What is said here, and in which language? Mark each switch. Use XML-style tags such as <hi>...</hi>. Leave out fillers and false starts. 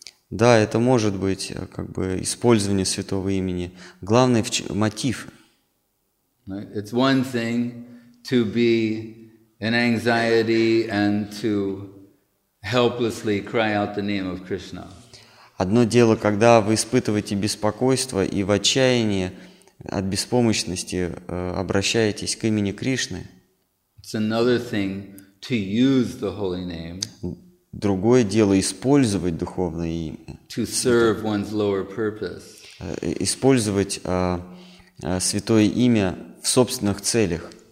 <ru>Да, это может быть как бы использование святого имени. Главное мотив. Right?</ru> <en>It's one thing to be in anxiety and to helplessly cry out the name of Krishna.</en> <ru>Одно дело, когда вы испытываете беспокойство и в отчаянии от беспомощности обращаетесь к имени Кришны.</ru> <en>It's another thing to use the holy name.</en> <ru>Другое дело использовать духовное имя.</ru> <en>To serve one's lower purpose.</en> <ru>Использовать святое имя в собственных целях.</ru>